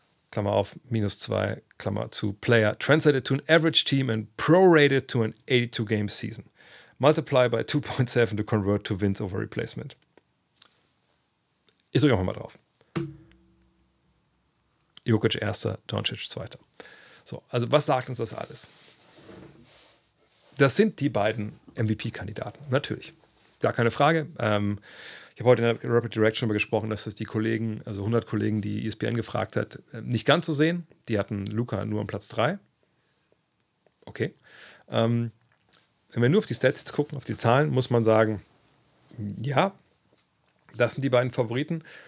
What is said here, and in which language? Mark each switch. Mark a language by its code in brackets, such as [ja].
[de] Klammer auf, minus 2, Klammer zu, [en] Player translated to an average team and prorated to an 82-game season. Multiply by 2.7 to convert to wins over replacement. [de] Ich drücke einfach mal drauf. Jokic Erster, Doncic Zweiter. So, also was sagt uns das alles? Das sind die beiden MVP-Kandidaten, natürlich. Gar keine Frage. Ich habe heute in der Rapid Direction darüber gesprochen, dass es die Kollegen, also 100 Kollegen, die ESPN gefragt hat, nicht ganz so sehen. Die hatten Luca nur am Platz 3. Okay. Wenn wir nur auf die Stats jetzt gucken, auf die Zahlen, muss man sagen, ja, das sind die beiden Favoriten.